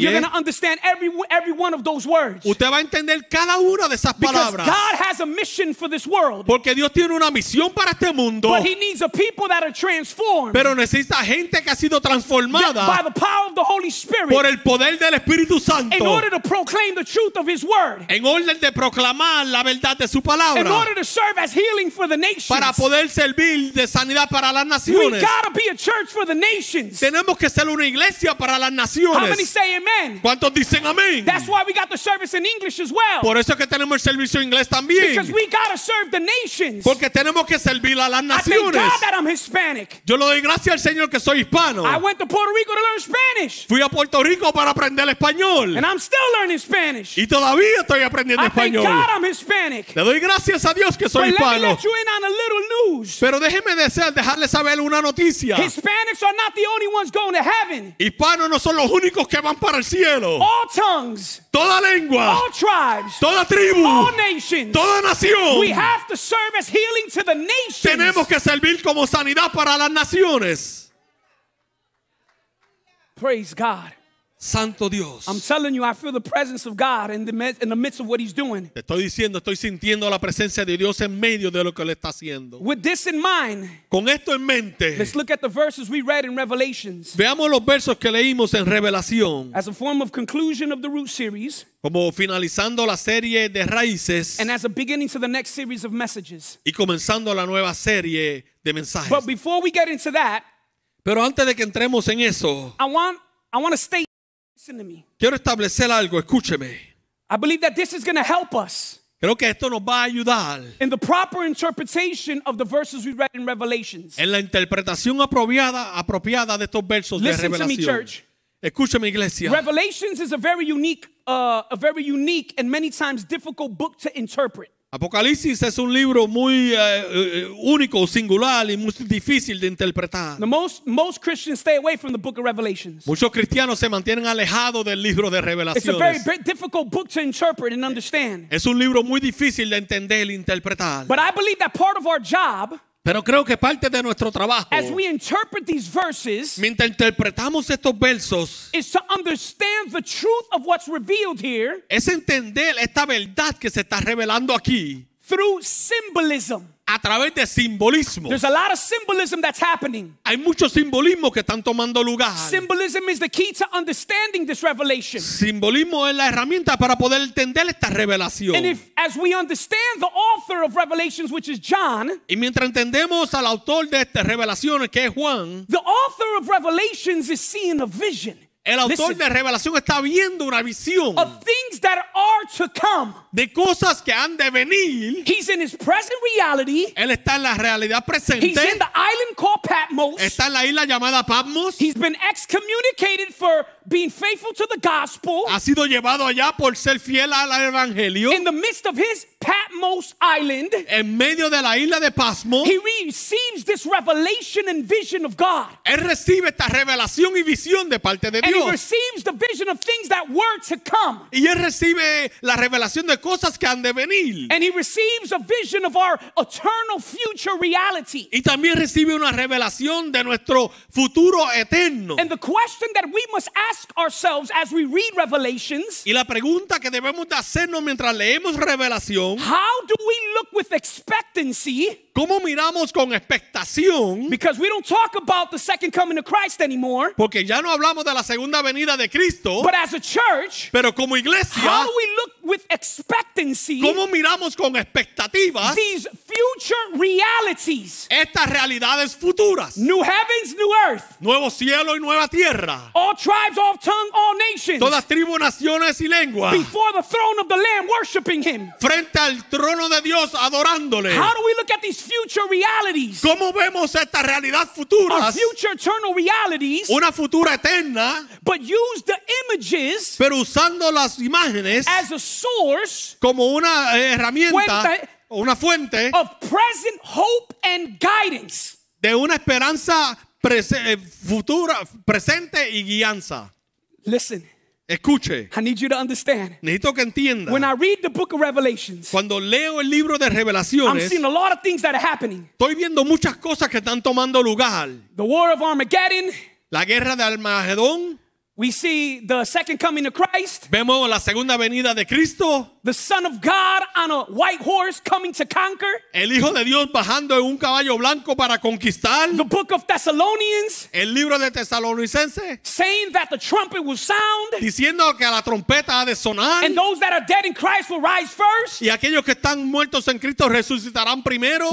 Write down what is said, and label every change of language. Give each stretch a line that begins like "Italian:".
English: you're going to understand every one of those words.
Spanish: Usted va a entender cada una de esas palabras.
English: Because God has a mission for this world.
Spanish: Porque Dios tiene una misión para este mundo.
English: But he needs a people that are transformed.
Spanish: Pero necesita gente que ha sido transformada.
English: By the power of the Holy Spirit.
Spanish: Por el poder del Espíritu Santo.
English: In order to proclaim the truth of his word.
Spanish: En orden de proclamar la verdad de su palabra.
English: In order to serve as healing for the nations,
Spanish: para poder servir de sanidad para las naciones.
English: We gotta be a church for the nations.
Spanish: Tenemos que ser una iglesia para las naciones.
English: How many say amen?
Spanish: ¿Cuántos dicen amén?
English: That's why we got the service in English as well.
Spanish: Por eso es que tenemos el servicio en inglés también.
English: Because we gotta serve the nations.
Spanish: Porque tenemos que servir a las naciones.
English: I thank God that I'm Hispanic.
Spanish: Yo le doy gracias al Señor que soy hispano.
English: I went to Puerto Rico to learn Spanish.
Spanish: Fui a Puerto Rico para aprender español.
English: And I'm still learning Spanish.
Spanish: Y todavía estoy aprendiendo I español.
English: Thank God I'm Hispanic.
Spanish: Le doy gracias. gracias a Dios que soy hispano. Pero déjeme dejarle saber una noticia.
English: Hispanics are not the only ones going to heaven.
Spanish: Hispanos no son los únicos que van para el cielo.
English: All tongues,
Spanish: toda lengua,
English: all tribes,
Spanish: toda tribu,
English: all nations,
Spanish: toda nación.
English: We have to serve as healing to the nations.
Spanish: Tenemos que servir como sanidad para las naciones.
English: Praise God.
Spanish: Santo Dios.
English: I'm telling you, I feel the presence of God in the midst of what he's doing.
Spanish: Te estoy diciendo, estoy sintiendo la presencia de Dios en medio de lo que él está haciendo.
English: With this in mind,
Spanish: con esto en mente,
English: let's look at the verses we read in Revelations.
Spanish: Veamos los versos que leímos en Revelación.
English: As a form of conclusion of the Root series,
Spanish: como finalizando la serie de Raíces,
English: and as a beginning to the next series of messages,
Spanish: y comenzando la nueva serie de mensajes.
English: But before we get into that,
Spanish: pero antes de que entremos en eso,
English: I want to state, listen to me.
Spanish: Quiero establecer algo, escúcheme.
English: I believe that this is going to help us.
Spanish: Creo que esto nos va a ayudar.
English: In the proper interpretation of the verses we read in Revelations.
Spanish: En la interpretación apropiada de estos versos.
English: Listen
Spanish: de Revelación.
English: To me, church.
Spanish: Escúcheme, iglesia.
English: Revelations is a very unique and many times difficult book to interpret.
Spanish: Apocalipsis es un libro muy único, singular y muy difícil de interpretar.
English: Most Christians stay away from the book of Revelations.
Spanish: Muchos cristianos se mantienen alejados del libro de Revelaciones.
English: It's a very difficult book to interpret and understand.
Spanish: Es un libro muy difícil de entender y interpretar.
English: But I believe that part of our job,
Spanish: pero creo que parte de nuestro trabajo,
English: as we interpret these verses,
Spanish: mientras interpretamos estos versos,
English: is to understand the truth of what's revealed here,
Spanish: es entender esta verdad que se está revelando aquí,
English: through symbolism.
Spanish: A través de simbolismo.
English: There's a lot of symbolism that's happening.
Spanish: Hay mucho simbolismo que están tomando lugar.
English: Symbolism is the key to understanding this revelation.
Spanish: Simbolismo es la herramienta para poder entender esta revelación.
English: And if, as we understand the author of Revelations, which is John,
Spanish: y mientras entendemos al autor de estas revelaciones, que es Juan,
English: the author of Revelations is seeing a vision.
Spanish: El autor de Revelación está viendo una visión
English: of things that are to come.
Spanish: De cosas que han de venir.
English: He's in his present reality.
Spanish: Él está en la realidad presente.
English: He's in the island called Patmos.
Spanish: Está en la isla llamada Patmos.
English: He's been excommunicated for being faithful to the gospel.
Spanish: Ha sido llevado allá por ser fiel al evangelio.
English: In the midst of his Patmos island,
Spanish: en medio de la isla de Patmos,
English: he receives this revelation and vision of God.
Spanish: Él recibe esta revelación y visión de parte de Dios.
English: And he receives the vision of things that were to come.
Spanish: Y él recibe la revelación de cosas que han de venir.
English: And he receives a vision of our eternal future reality.
Spanish: Y también recibe una revelación de nuestro futuro eterno.
English: And the question that we must ask ourselves as we read Revelations,
Spanish: y la pregunta que debemos de hacernos mientras leemos Revelación,
English: how do we look with expectancy?
Spanish: ¿Cómo miramos con expectación?
English: Because we don't talk about the second coming of Christ anymore.
Spanish: Porque ya no hablamos de la segunda venida de Cristo.
English: But as a church,
Spanish: pero como iglesia,
English: how do we look with expectancy?
Spanish: ¿Cómo miramos con expectativas?
English: These future realities.
Spanish: Estas realidades futuras.
English: New heavens, new earth.
Spanish: Nuevo cielo y nueva tierra.
English: All tribes, all tongues, all nations.
Spanish: Todas tribus, naciones y lenguas.
English: Before the throne of the Lamb, worshiping him.
Spanish: Frente al trono de Dios, adorándole.
English: How do we look at these future realities?
Spanish: ¿Cómo vemos esta realidad futura?
English: Our future eternal realities.
Spanish: Una futura eterna.
English: But use the images.
Spanish: Pero usando las imágenes.
English: As a source.
Spanish: Como una herramienta. Una fuente.
English: Of present hope and guidance.
Spanish: De una esperanza futura, presente y guianza.
English: Listen.
Spanish: Escuche.
English: I need you to understand.
Spanish: Necesito que entienda.
English: When I read the book of Revelations,
Spanish: cuando leo el libro de Revelaciones,
English: I'm seeing a lot of things that are happening.
Spanish: Estoy viendo muchas cosas que están tomando lugar.
English: The war of Armageddon.
Spanish: La guerra de Armagedón.
English: We see the second coming of Christ.
Spanish: Vemos la segunda venida de Cristo.
English: The Son of God on a white horse coming to conquer.
Spanish: El Hijo de Dios bajando en un caballo blanco para conquistar.
English: The book of Thessalonians.
Spanish: El libro de Tesalonicenses.
English: Saying that the trumpet will sound.
Spanish: Diciendo que la trompeta ha de sonar.
English: And those that are dead in Christ will rise first.
Spanish: Y aquellos que están muertos en Cristo resucitarán primero.